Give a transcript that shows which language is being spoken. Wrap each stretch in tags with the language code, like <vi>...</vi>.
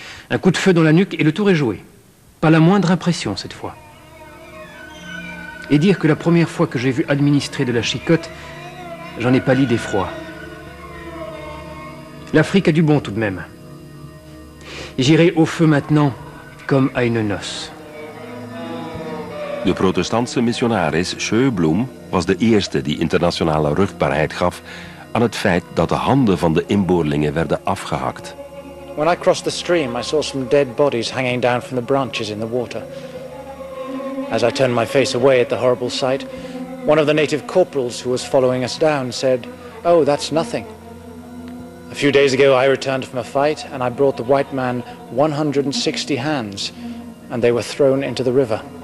<fr>Un coup de feu dans la nuque et le tour est joué. Pas la moindre impression cette fois. Et dire que la première fois que j'ai vu administrer de la chicotte, j'en ai pâli d'effroi. L'Afrique a du bon tout de même. J'irai au feu maintenant comme à une noce.</fr> <nl>De protestantse missionaris Schoeblum was de eerste die internationale ruchtbaarheid gaf aan het feit dat de handen van de inboorlingen werden afgehakt.</nl> <en>When I crossed the stream, I saw some dead bodies hanging down from the branches in the water. As I turned my face away at the horrible sight, one of the native corporals who was following us down said, "Oh, that's nothing." A few days ago, I returned from a fight and I brought the white man 160 hands and they were thrown into the river.</en>